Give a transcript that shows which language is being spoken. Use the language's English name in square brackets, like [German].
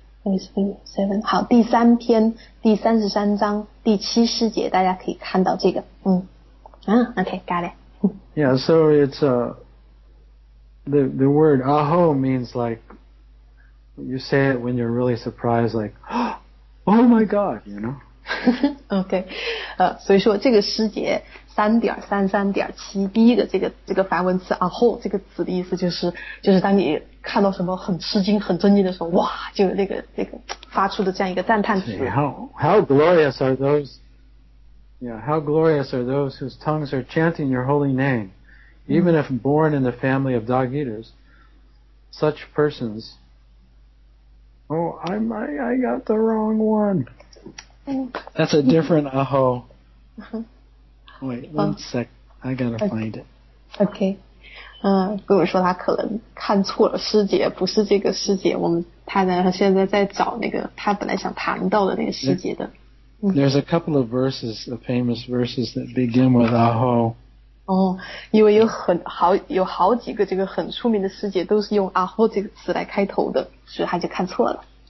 [Chinese] 37, 好，第三篇第33章第七诗节，大家可以看到这个。 [English] OK, got it. Yeah, so it's the word aho means like you say it when you're really surprised, like oh my god, you know. [Chinese] Okay, 所以说这个诗节3:33:7第一个这个梵文词 aho 这个词的意思就是当你看到什么很吃惊很震惊的时候，哇，就有那个发出的这样一个赞叹词。 [English] How glorious are those? Yeah, how glorious are those whose tongues are chanting your holy name, even if born in the family of dog eaters, such persons. Oh, I got the wrong one. That's a different aho. Wait one sec, I gotta find it. Okay. [Chinese] 跟我说他可能看错了诗节，不是这个诗节。他现在在找那个他本来想谈到的那个诗节的。 [English] There's a couple of verses, the famous verses that begin with aho. [Chinese] 因为有好几个这个很出名的诗节都是用 aho 这个词来开头的，所以他就看错了。